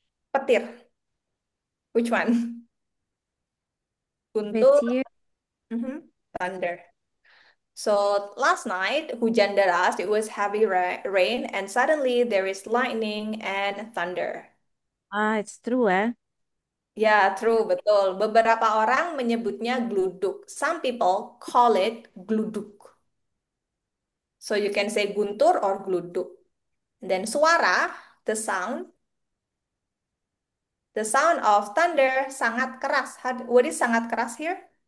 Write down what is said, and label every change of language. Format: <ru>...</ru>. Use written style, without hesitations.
<id>Petir.</id> <en>Which one?</en> <id>Guntur. Petir.</id> <en>Thunder. So last night</en> <id>hujan deras,</id> <en>it was heavy rain and suddenly there is lightning and thunder. It's true, eh? Ya, yeah, true, betul.</en> <id>Beberapa orang menyebutnya gluduk.</id> <en>Some people call it gluduk. So you can say guntur or gluduk. Then suara, the sound of thunder</en> <id>sangat keras.</id> <en>What is</en> <id>sangat keras</id> <en>here?</en>